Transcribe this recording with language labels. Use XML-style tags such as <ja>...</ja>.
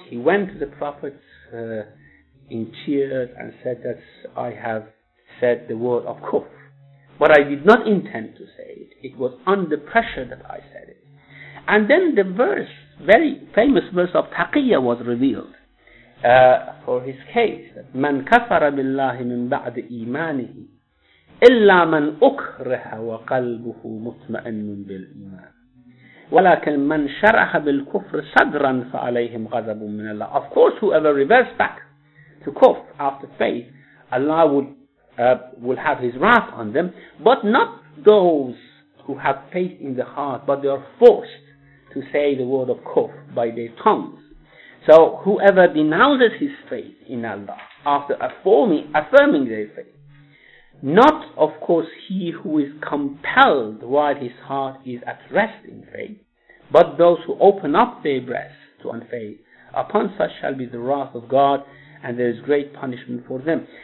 <en>He went to the Prophet in tears and said that I have said the word of kufr, but I did not intend to say it. It was under pressure that I said it. And then the verse, very famous verse of Taqiyya, was revealed for his case.</en> <ar>من كفر بالله من بعد إيمانه إلا من أكره وقلبه مطمئن بالإيمان ولكن من شرح بالكفر صدرا فعليهم غضب من الله.</ar> <en>Of course, whoever reversed back to kufr after faith, Allah will have his wrath on them, but not those who have faith in the heart, but they are forced to say the word of kufr by their tongues. So whoever denounces his faith in Allah after affirming their faith, not of course he who is compelled while his heart is at rest in faith, but those who open up their breasts to unfaith, upon such shall be the wrath of God, and there is great punishment for them.</en>